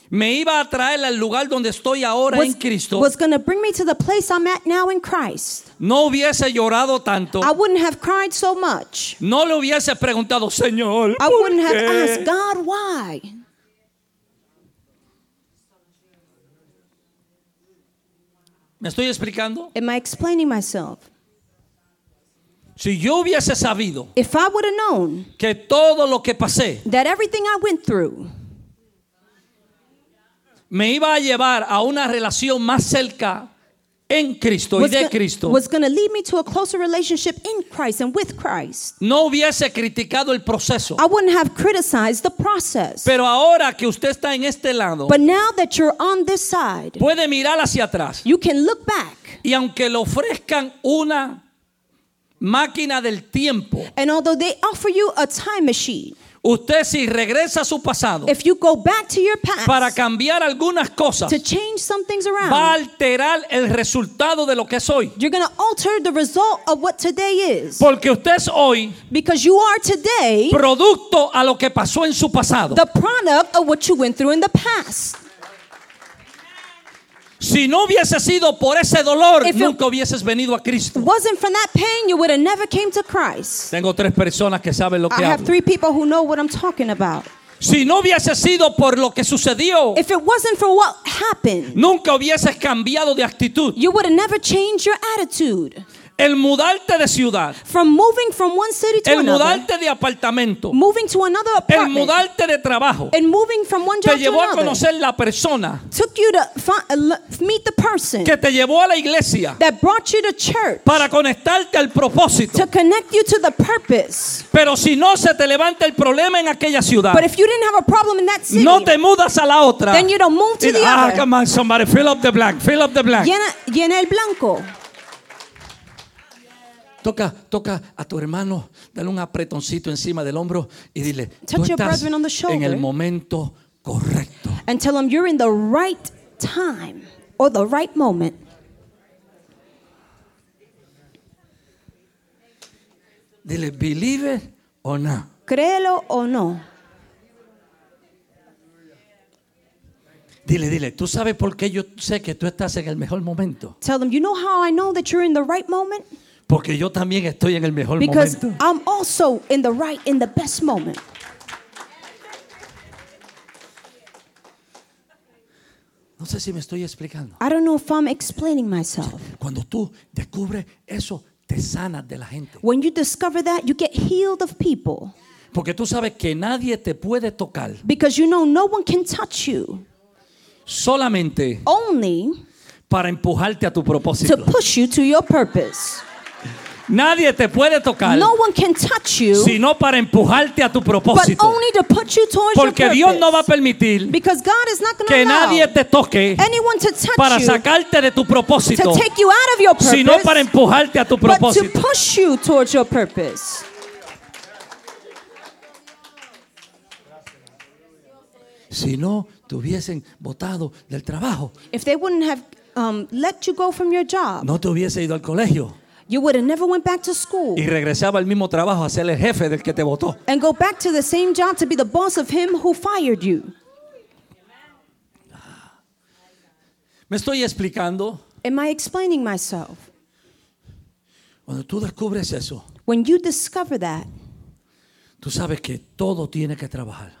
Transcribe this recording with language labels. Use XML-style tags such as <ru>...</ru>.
<es>Me iba a traer al lugar donde estoy ahora en Cristo.</es> <en>Was going to bring me to the place I'm at now in Christ.</en> <es>No hubiese llorado tanto.</es> <en>I wouldn't have cried so much.</en> <es>No le hubiese preguntado, Señor,</es> <en>I wouldn't have asked God why.</en> <es>¿Me estoy explicando?</es> <en>Am I explaining myself?</en> <es>Si yo hubiese sabido.</es> <en>If I would have known.</en> <es>Que todo lo que pasé.</es> <en>That everything I went through.</en> <es>Me iba a llevar a una relación más cerca en Cristo y de Cristo.</es> <en>Was going to lead me to a closer relationship in Christ and with Christ.</en> <es>No hubiese criticado el proceso.</es> <en>I wouldn't have criticized the process.</en> <es>Pero ahora que usted está en este lado.</es> <en>But now that you're on this side.</en> <es>Puede mirar hacia atrás.</es> <en>You can look back.</en> <es>Y aunque le ofrezcan una máquina del tiempo.</es> <en>And although they offer you a time machine.</en> <es>Usted si regresa a su pasado.</es> <en>If you go back to your past.</en> <es>Para cambiar algunas cosas.</es> <en>To change some things around.</en> <es>Va a alterar el resultado de lo que es hoy.</es> <en>You're going to alter the result of what today is.</en> <es>Porque usted es hoy.</es> <en>Because you are today.</en> <es>Producto a lo que pasó en su pasado.</es> <en>The product of what you went through in the past.</en> <es>Si no hubiese sido por ese dolor, nunca hubieses venido a Cristo.</es> <en>Wasn't from that pain, you would have never came to Christ.</en> <es>Tengo tres personas que saben lo que hablo.</es> <en>I have three people who know what I'm talking about.</en> <es>Si no hubiese sido por lo que sucedió,</es> <en>if it wasn't for what happened,</en> <es>nunca hubieses cambiado de actitud.</es> <en>You would have never changed your attitude.</en> <es>El mudarte de ciudad.</es> <en>From moving from one city to another.</en> <es>El mudarte de apartamento.</es> <en>Moving to another apartment.</en> <es>El mudarte de trabajo.</es> <en>And moving from one job</en> <es>te llevó</es> <en>to another.</en> <es>A conocer la persona.</es> <en>Took you to meet the person.</en> <es>Que te llevó a la iglesia.</es> <en>That brought you to church.</en> <es>Para conectarte al propósito.</es> <en>To connect you to the purpose.</en> <es>Pero si no se te levanta el problema en aquella ciudad.</es> <en>But if you didn't have a problem in that city.</en> <es>No te mudas a la otra.</es> <en>Then you don't move to the other. Come on, somebody, fill up the blank. Fill up the blank.</en> <es>Llena el blanco. Toca a tu hermano, dale un apretoncito encima del hombro y dile,</es> <en>touch</en> <es>tú estás</es> <en>your brethren on the shoulder</en> <es>en el momento correcto.</es> <en>And tell him you're in the right time or the right moment.</en> <es>Dile,</es> <en>believe it or not.</en> <es>Créelo o no. Dile, tú sabes por qué yo sé que tú estás en el mejor momento.</es> <en>Tell them, you know how I know that you're in the right moment?</en> <es>Porque yo también estoy en el mejor</es> <en>Because</en> <es>momento.</es> <en>Because I'm also in the right, in the best moment.</en> <es>No sé si me estoy explicando.</es> <en>I don't know if I'm explaining myself.</en> <es>Cuando tú descubres eso, te sanas de la gente.</es> <en>When you discover that, you get healed of people.</en> <es>Porque tú sabes que nadie te puede tocar.</es> <en>Because you know no one can touch you.</en> <es>Solamente</es> <en>Only</en> <es>para empujarte a tu propósito.</es> <en>To push you to your purpose.</en> <es>Nadie te puede tocar.</es> <en>No one can touch you.</en> <es>Sino para empujarte a tu propósito.</es> <en>But only to put you towards your purpose.</en> <es>Porque Dios no va a permitir</es> <en>Because God is not going</en> <es>que nadie te toque</es> <en>anyone to touch</en> <es>para sacarte de tu propósito.</es> <en>To take you out of your purpose.</en> <es>Sino para empujarte a tu propósito.</es> <en>But to push you towards your purpose.</en> <es>Si no te hubiesen botado del trabajo.</es> <en>If they wouldn't have let you go from your job.</en> <es>No te hubiese ido al colegio.</es> <en>You would have never went back to school.</en> <es>Y regresaba al mismo trabajo a ser el jefe del que te botó.</es> <en>And go back to the same job to be the boss of him who fired you.</en> <es>¿Me estoy explicando?</es> <en>Am I explaining myself?</en> <es>Cuando tú descubres eso.</es> <en>When you discover that.</en> <es>Tú sabes que todo tiene que trabajar.</es>